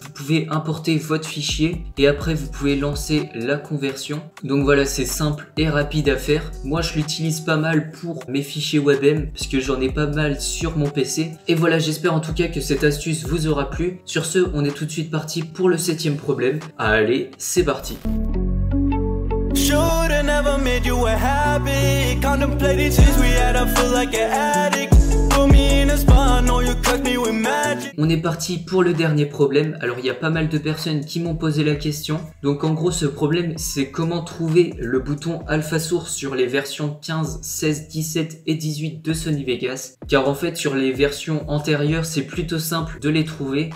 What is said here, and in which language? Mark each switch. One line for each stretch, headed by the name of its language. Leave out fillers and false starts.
French: Vous pouvez importer votre fichier et après vous pouvez lancer la conversion. Donc voilà, c'est simple et rapide à faire. Moi, je l'utilise pas mal pour mes fichiers WebM parce que j'en ai pas mal sur mon PC. Et voilà, j'espère en tout cas que cette astuce vous aura plu. Sur ce, on est tout de suite parti pour le 7e problème. Allez, c'est parti.
English: Should've never made you a habit. Contemplating since we had, I feel like an addict. Put me in a spot, I know you cut me with magic.
French: On est parti pour le dernier problème. Alors il y a pas mal de personnes qui m'ont posé la question. Donc en gros, ce problème, c'est comment trouver le bouton alpha source sur les versions 15, 16, 17 et 18 de Sony Vegas. Car en fait, sur les versions antérieures, c'est plutôt simple de les trouver.